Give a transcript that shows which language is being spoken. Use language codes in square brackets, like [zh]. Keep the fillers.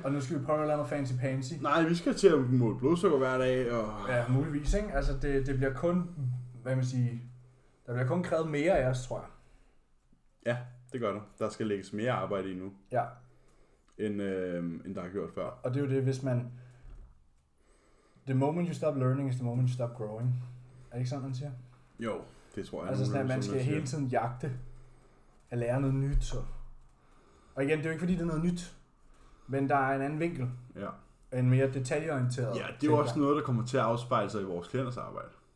[da] og nu skal vi prøve at lave noget [en] fancy pansy. [da] Nej, vi skal til at måle blodsukker hver dag. Og... Ja, muligvis. Ikke? Altså, det, det bliver kun, hvad man siger, der bliver kun krævet mere af os, tror jeg. Ja, det gør der. Der skal lægges mere arbejde i nu, ja. end, øh, end der har gjort før. Og det er jo det, hvis man... [en] The moment you stop learning is the moment you stop growing. [da] Er det ikke sådan, man siger? Jo, det tror jeg. Altså, sådan, at man skal, jeg, man skal sådan, man hele tiden jagte at lære noget nyt, så og igen, det er jo ikke fordi, det er noget nyt, men der er en anden vinkel. Ja. En mere detaljeorienteret. Ja, det er tingler. jo også noget, der kommer til at afspejle sig i vores klienters arbejde.